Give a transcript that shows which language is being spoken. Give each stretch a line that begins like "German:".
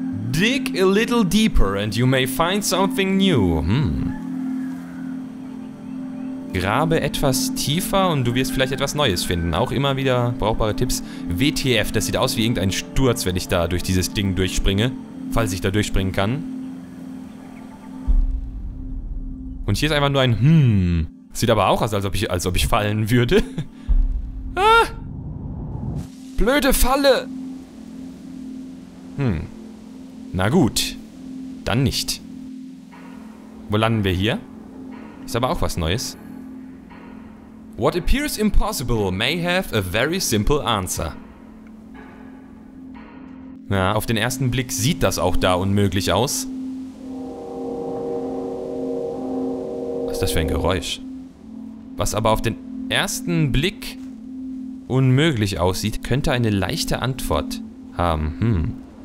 English: Dig a little deeper and you may find something new.
German: Grabe etwas tiefer und du wirst vielleicht etwas Neues finden. Auch immer wieder brauchbare Tipps. WTF, das sieht aus wie irgendein Sturz, wenn ich da durch dieses Ding durchspringe. Falls ich da durchspringen kann. Und hier ist einfach nur ein Sieht aber auch aus, als ob ich fallen würde. Blöde Falle. Na gut, dann nicht. Wo landen wir hier? Ist aber auch was Neues.
English: What appears impossible may have a very simple answer.
German: Na, auf den ersten Blick sieht das auch da unmöglich aus. Was ist das für ein Geräusch? Was aber auf den ersten Blick unmöglich aussieht, könnte eine leichte Antwort haben.